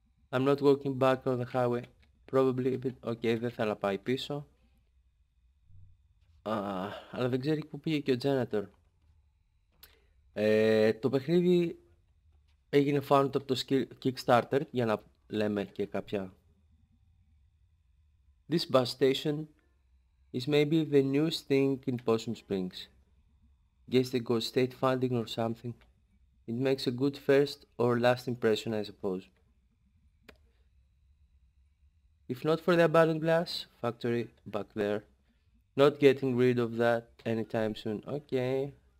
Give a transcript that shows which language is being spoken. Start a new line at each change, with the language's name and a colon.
English: I'm not walking back on the highway. Probably, but...
Greek: okay, δεν θα πάει πίσω. Αλλά δεν ξέρει που πήγε και ο janitor. Το παιχνίδι έγινε found από το Kickstarter, για να λέμε και κάποια.
English: This bus station is maybe the newest thing in Possum Springs. Guess they got state funding or something. It makes a good first or last impression, I suppose. If not for the abandoned glass factory back there. Not getting rid of that anytime soon. Okay.